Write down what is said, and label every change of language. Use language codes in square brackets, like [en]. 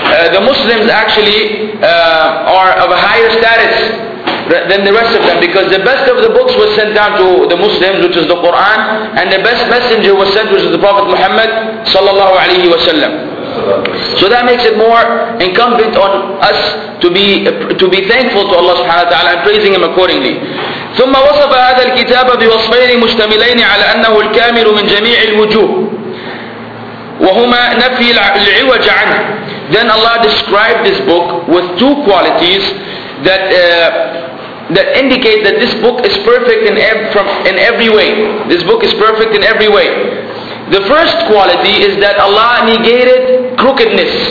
[en] The Muslims actually are of a higher status than the rest of them, because the best of the books was sent down to the Muslims, which is the Quran, and the best messenger was sent, which is the Prophet Muhammad sallallahu alaihi wasallam. So that makes it more incumbent on us to be thankful to Allah subhanahu wa ta'ala and praising him accordingly. [ar] ثم وصف هذا الكتاب بوصفين مشتملين على أنه الكامل من جميع الوجوه وهما نفي العوج عنه. [en] Then Allah described this book with two qualities that indicate that this book is perfect in every way. This book is perfect in every way. The first quality is that Allah negated crookedness.